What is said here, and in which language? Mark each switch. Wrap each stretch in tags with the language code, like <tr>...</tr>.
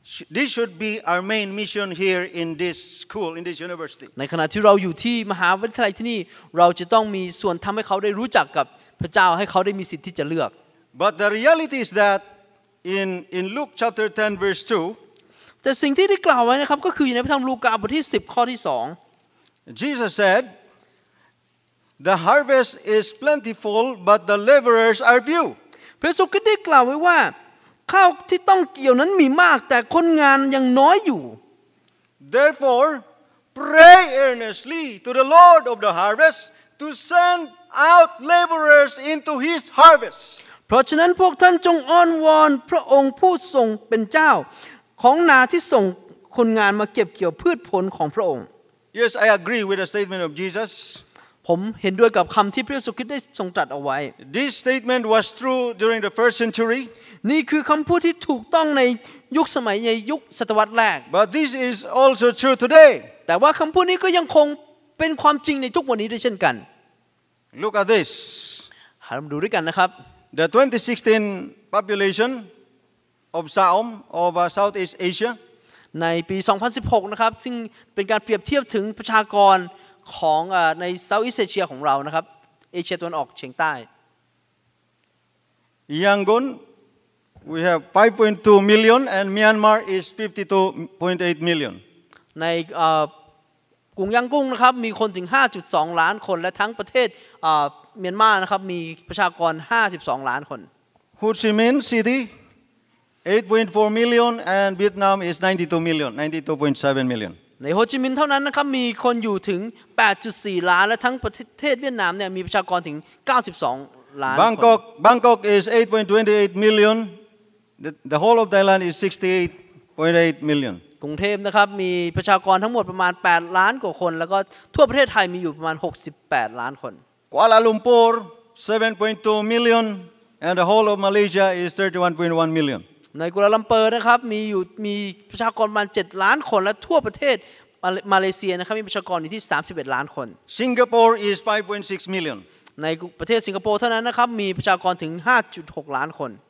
<en>This should be our main mission here in this school, in this university.</en> <th>ในขณะที่เราอยู่ที่มหาวิทยาลัยที่นี่เราจะต้องมีส่วนทำให้เขาได้รู้จักกับพระเจ้าให้เขาได้มีสิทธิ์ที่จะเลือก</th> <en>But the reality is that in Luke chapter 10 verse 2</en> <th>แต่สิ่งที่ได้กล่าวไว้นะครับก็คืออยู่ในพระธรรมลูกาบทที่10ข้อที่2</th> <en>Jesus said the harvest is plentiful but the laborers are few</en> <th>พระเยซูก็ได้กล่าวไว้ว่าข้าวที่ต้องเกี่ยวนั้นมีมากแต่คนงานยังน้อยอยู่</th> <en>Therefore pray earnestly to the Lord of the harvest to sendout laborers into his harvest</en> <th>เพราะฉะนั้นพวกท่านจงอ้อนวอนพระองค์ผู้ทรงเป็นเจ้าของนาที่ส่งคนงานมาเก็บเกี่ยวพืชผลของพระองค์</th> <en>Yes I agree with the statement of Jesus</en> <th>ผมเห็นด้วยกับคำที่พระเยซูคริสต์ได้ทรงตรัสเอาไว้</th> <en>This statement was true during the first century</en> <th>นี่คือคำพูดที่ถูกต้องในยุคสมัยในยุคศตวรรษแรก</th> <en>But this is also true today</en> <th>แต่ว่าคำพูดนี้ก็ยังคงเป็นความจริงในทุกวันนี้ด้วยเช่นกัน</th> <en>Look at this.</en> <th>หามดูด้วยกันนะครับ</th> <en>The 2016 population of Saum of Southeast Asia.</en> <th>ในปี2016นะครับซึ่งเป็นการเปรียบเทียบถึงประชากรของใน Southeast Asia ของเรานะครับเอเชียตะวันออกเฉียงใต้</th> <en>Yangon we have 5.2 million and Myanmar is 52.8 million.</en> <th>ในกรุงยางกุ้งนะครับมีคนถึง 5.2 ล้านคนและทั้งประเทศเมียนมานะครับมีประชากร52ล้านคน</th> <en>ฮูชิมินห์ซิตี้ 8.4 million and Vietnam is 92 million 92.7 million</en> <th>ในโฮจิมินห์เท่านั้นนะครับมีคนอยู่ถึง 8.4 ล้านและทั้งประเทศเวียดนามเนี่ยมีประชากรถึง92ล้าน</th> <en>บางกอก is 8.28 million the whole of Thailand is 68.8 million</en> <th>กรุงเทพนะครับมีประชากรทั้งหมดประมาณ8ล้านกว่าคนแล้วก็ทั่วประเทศไทยมีอยู่ประมาณ68ล้านคน</th> <en>กัวลาลุมปูร์ 7.2 million and the whole of Malaysia is 31.1 million</en> <th>ในกัวลาลัมเปอร์นะครับมีประชากรประมาณ7ล้านคนและทั่วประเทศมาเลเซียนะครับมีประชากรอยู่ที่31ล้านคน</th> <en>สิงคโปร์ is 5.6 million</en> <th>ในประเทศสิงคโปร์เท่านั้นนะครับมีประชากรถึง 5.6 ล้านคน</th>